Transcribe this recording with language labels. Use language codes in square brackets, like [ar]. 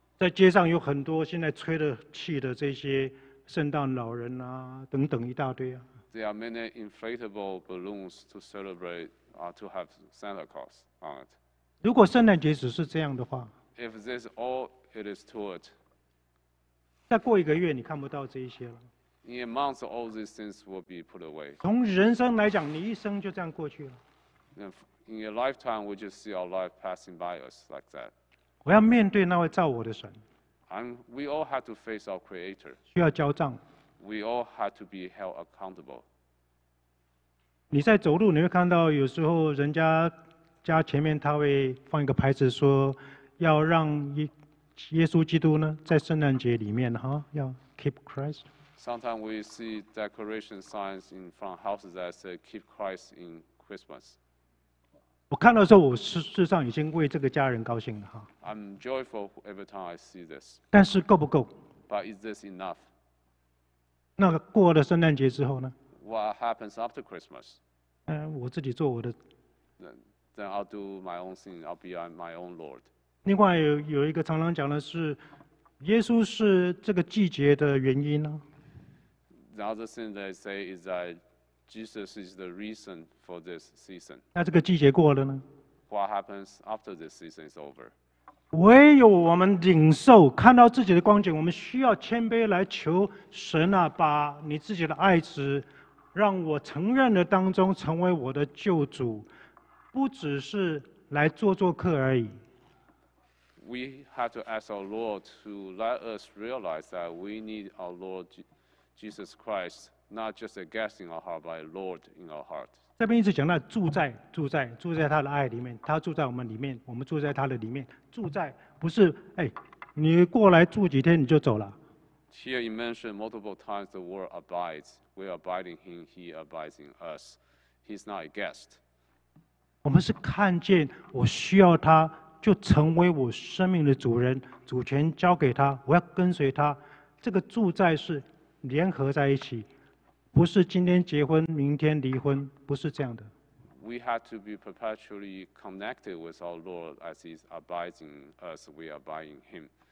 [zh] 在街上有很多现在吹的气的这些圣诞老人啊等等一大堆啊。 [en] There are many inflatable balloons to celebrate, to have Santa Claus on it. [zh] 如果圣诞节只是这样的话， [en] If this all it is to it, [zh] 再过一个月你看不到这一些了。 [en] In a month, all these things will be put away. [zh] 从人生来讲，你一生就这样过去了。 [en] In a lifetime, we just see our life passing by us like that. [zh] 我要面对那位造我的神。 [en] And we all have to face our Creator. [zh] 需要交账。 [en] We all have to be held accountable. [zh] 你在走路，你会看到有时候人家家前面他会放一个牌子说，要让耶稣基督呢在圣诞节里面哈，要 [en] keep Christ。 Sometimes we see decoration signs in front houses that say "Keep Christ in Christmas." [zh] 我看到的时候，我事实上已经为这个家人高兴了哈。 [en] I'm joyful every time I see this. [zh] 但是够不够 [en] ？But is this enough? [zh] 那过了圣诞节之后呢 [en] ？What happens after Christmas? [zh] 我自己做我的。 [en] Then I'll do my own thing. I'll be my own Lord. [zh] 另外有一个常常讲的是，耶稣是这个季节的原因呢。 [en] The other thing they say is that Jesus is the reason for this season. [zh] 那这个季节过了呢？ [en] What happens after this season is over? [zh] 唯有我们领受，看到自己的光景，我们需要谦卑来求神啊，把你自己的爱子，让我承认的当中成为我的救主，不只是来做做客而已。 [en] We have to ask our Lord to let us realize that we need our Lord Jesus Christ, not just a guest in our heart, but a Lord in our heart. [zh] 这边一直讲到住在他的爱里面，他住在我们里面，我们住在他的里面。住在不是你过来住几天你就走了。 [en] Here you mentioned multiple times the word abides. We abide in Him, He abides in us. He's not a guest. [zh] 我们是看见我需要他，就成为我生命的主人，主权交给他，我要跟随他。这个住在是。联合在一起，不是今天结婚，明天离婚，不是这样的。 [en] We have to be perpetually connected with our Lord as He abides in us, we abide in Him.